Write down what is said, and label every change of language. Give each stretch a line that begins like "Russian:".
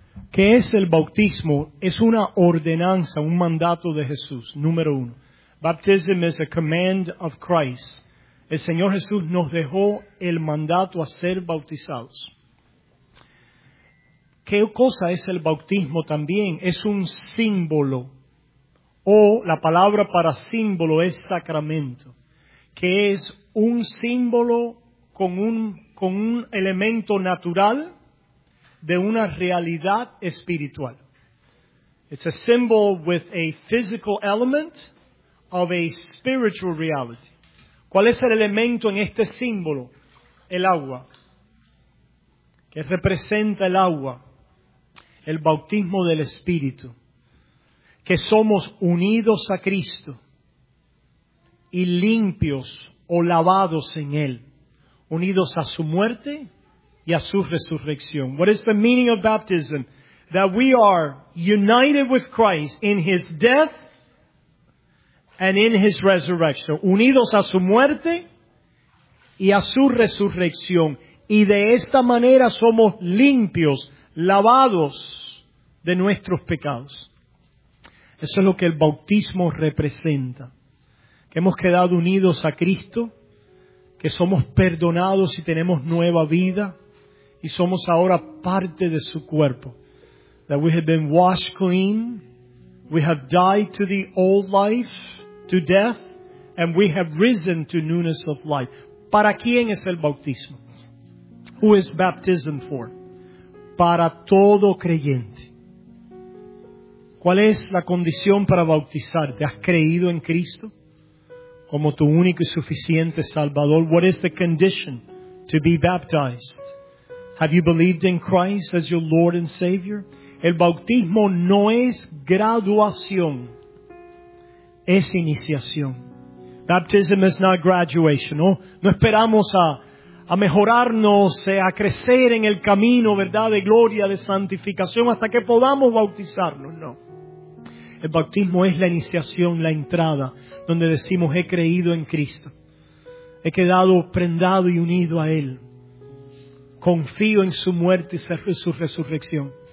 Spanish: ¿Qué es el bautismo? Es una ordenanza, un mandato de Jesús. Número uno.
English: Baptism is a command of Christ.
Spanish: El Señor Jesús nos dejó el mandato a ser bautizados. ¿Qué cosa es el bautismo también? Es un símbolo. O la palabra para símbolo es sacramento. Que es un símbolo con un elemento natural de una realidad espiritual.
English: It's a symbol with a physical element of a spiritual reality.
Spanish: ¿Cuál es el elemento en este símbolo? El agua. ¿Qué representa el agua? El bautismo del Espíritu. Que somos unidos a Cristo y limpios o lavados en Él, unidos a su muerte y a su resurrección.
English: What is the meaning of baptism? That we are united with Christ in His death and in His resurrection.
Spanish: Unidos a su muerte y a su resurrección. Y de esta manera somos limpios, lavados de nuestros pecados. Eso es lo que el bautismo representa. Que hemos quedado unidos a Cristo, que somos perdonados y tenemos nueva vida, y somos ahora parte de su cuerpo.
English: That we have been washed clean We have died to the old life, to death, and we have risen to newness of life.
Spanish: ¿Para quién es el bautismo?
English: Who is baptism for?
Spanish: Para todo creyente. ¿Cuál es la condición para bautizarte? ¿Has creído en Cristo como tu único y suficiente Salvador?
English: What is the condition to be baptized? Have you believed in Christ as your Lord and Savior?
Spanish: El bautismo no es graduación, es iniciación.
English: Baptism is not graduation.
Spanish: No, no esperamos a mejorarnos, a crecer en el camino, ¿verdad?, de gloria, de santificación, hasta que podamos bautizarnos. No. El bautismo es la iniciación, la entrada, donde decimos, he creído en Cristo. He quedado prendado y unido a Él. Confío en su muerte y su resurrección.